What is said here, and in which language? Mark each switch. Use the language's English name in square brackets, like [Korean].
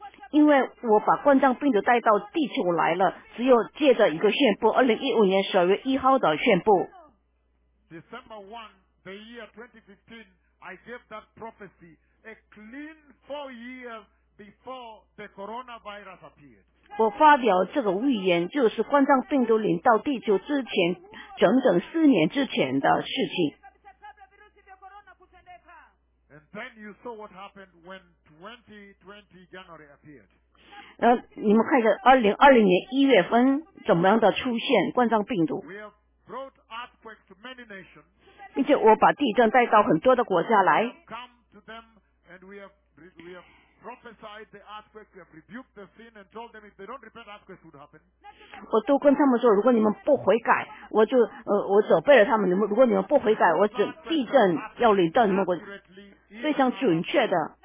[Chinese] 因为我把冠状病毒带到地球来了，只有借着一个宣布，2015年12月1号的宣布。 [English] December 1, the year 2015, I gave that prophecy a clean 4 years. Before the coronavirus appeared. [Chinese] 我发表这个预言就是冠状病毒临到地球之前整整四年之前的事情。 [English] And then you saw what happened when 2020 January appeared. [Chinese] 然后你们看一下2020年1月份怎么样的出现冠状病毒。 [English] We have brought earthquakes to many nations. [Chinese] 并且我把地震带到很多的国家来。 [English] We have come to them and we have prophesied the earthquake, we have rebuked the sin and told them if they don't repent, earthquakes would happen. [Chinese] 我都跟他们说，如果你们不悔改，我就我责备了他们。你们如果你们不悔改，我地震要临到你们国家，非常准确的。